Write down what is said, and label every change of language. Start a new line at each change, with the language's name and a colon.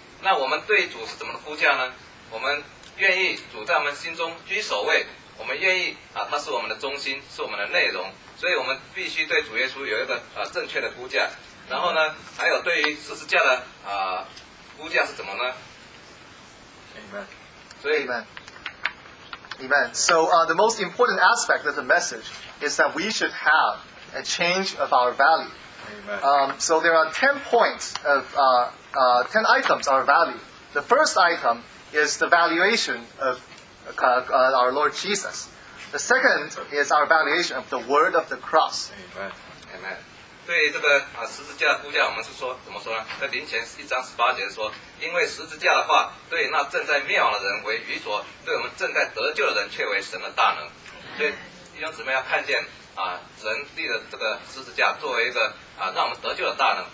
Chinese: 那我们对主是怎么的估价呢？我们愿意主在我们心中居首位，我们愿意啊他是我们的中心，是我们的内容，所以我们必须对主耶稣有一个啊正确的估价。然后呢，还有对于十字架的啊估价是怎么呢？明白。所以。
English: Amen. So the most important aspect of the message is that we should have a change of our value. So there are 10 points of 10 items of our value. The first item is the valuation of our Lord Jesus. The second is our valuation of the word of the cross. Amen.
Chinese: 对这个啊十字架的估价，我们是说怎么说呢？在林前一章十八节说，因为十字架的话，对那正在灭亡的人为愚拙，对我们正在得救的人却为神的大能。所以弟兄姊妹要看见啊，神立的这个十字架作为一个啊让我们得救的大能。